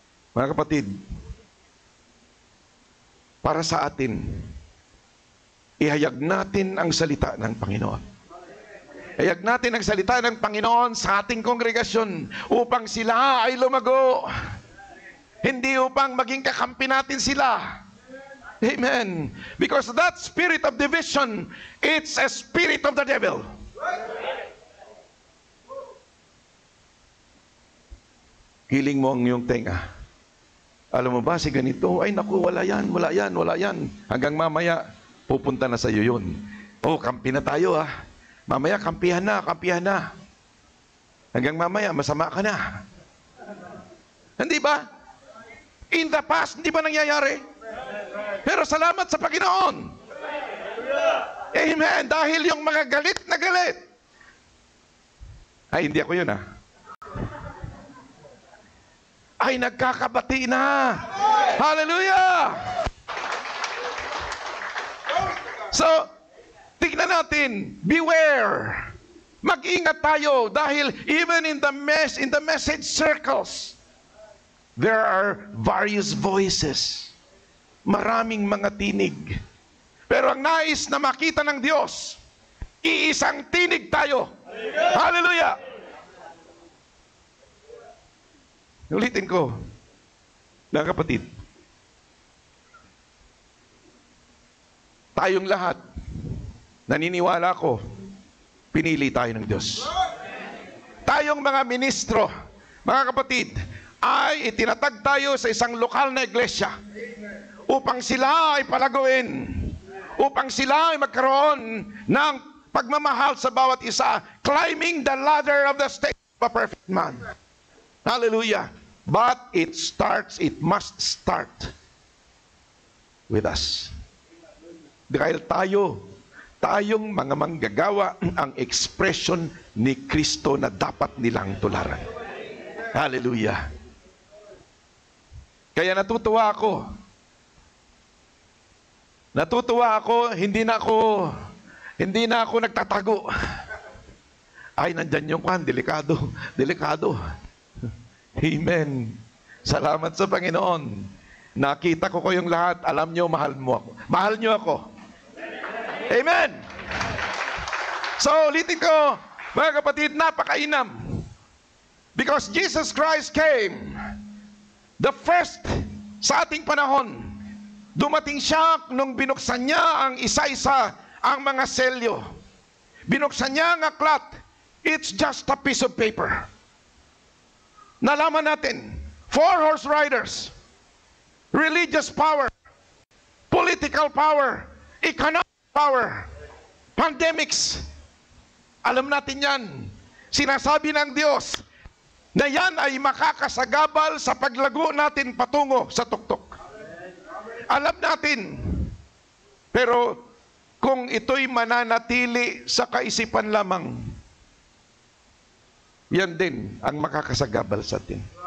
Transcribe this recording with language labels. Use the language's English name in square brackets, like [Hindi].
[Filipino] Mga kapatid, para sa atin, ihayag natin ang salita ng Panginoon. Ihayag natin ang salita ng Panginoon sa ating kongregasyon upang sila ay lumago. Hindi upang maging kakampi natin sila. Amen. [English] Because that spirit of division, it's a spirit of the devil. [Filipino] Giling mo ang iyong tenga. Alam mo ba, si ganito, ay naku, wala yan. Hanggang mamaya, pupunta na sa iyo yun. Oh, kampi na tayo ah. Mamaya, kampihan na. Hanggang mamaya, masama ka na. Hindi ba? [English] In the past, [Filipino] hindi ba nangyayari? Pero salamat sa Panginoon. Amen. Dahil yung mga galit. Ay, hindi ako yun ah. Ay nagkakabati na. Hallelujah! So, tignan natin, beware. Mag-ingat tayo dahil [English] even in the message circles, there are various voices. [Filipino] Maraming mga tinig. Pero ang nais na makita ng Diyos, iisang tinig tayo. Hallelujah! Ulitin ko, mga kapatid, tayong lahat, naniniwala ko, pinili tayo ng Diyos. Tayong mga ministro, mga kapatid, ay itinatag tayo sa isang lokal na iglesia upang sila ay palaguin, upang sila ay magkaroon ng pagmamahal sa bawat isa, [English] climbing the ladder of the state of a perfect man. [Filipino] Hallelujah! [English] But it must start with us. [Filipino] Dahil tayong mga manggagawa ang expression ni Kristo na dapat nilang tularan. Hallelujah. Kaya natutuwa ako, hindi na ako, Hindi na ako nagtatago. Ay, nandyan yung kwan. Delikado. Delikado. Amen. Salamat sa Panginoon. Nakita ko kayong lahat. Alam nyo, mahal mo ako. Mahal nyo ako. Amen. So, ulitin ko, mga kapatid, napakainam. [English] Because Jesus Christ came, the first [Filipino] sa ating panahon, dumating siya nung binuksan niya ang isa-isa ang mga selyo. Binuksan niya ang aklat. [English] It's just a piece of paper. [Filipino] Nalaman natin, [English] four horse riders, religious power, political power, economic power, pandemics. [Filipino] Alam natin yan. Sinasabi ng Diyos na yan ay makakasagabal sa paglago natin patungo sa tuktok. Alam natin. Pero kung ito'y mananatili sa kaisipan lamang, yan din ang makakasagabal sa atin.